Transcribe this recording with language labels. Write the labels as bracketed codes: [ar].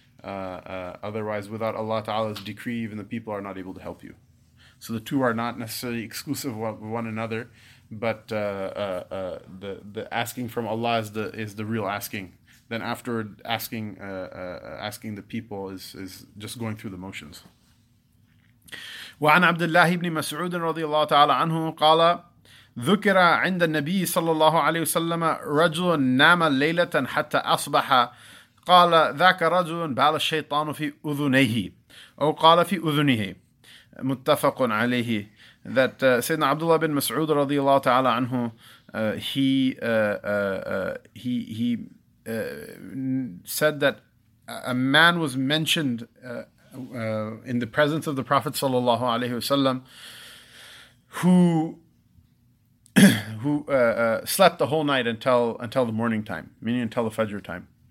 [en] Otherwise, without Allah Ta'ala's decree, even the people are not able to help you. So the two are not necessarily exclusive of one another, but the asking from Allah is the real asking. Then afterward, asking the people is just going through the motions. [ar] وعن عبد الله بن مسعود رضي الله تعالى عنه قال ذكر عند النبي صلى الله عليه وسلم رجل نام ليلة حتى أصبح قال ذاك رجل بال الشيطان في أذنيه أو قال في أذنيه متفق عليه. [en] That Sayyidina Abdullah bin Mas'ud radiyallahu ta'ala anhu, he said that a man was mentioned in the presence of the Prophet sallallahu alayhi wasallam who slept the whole night until the morning time, meaning until the Fajr time.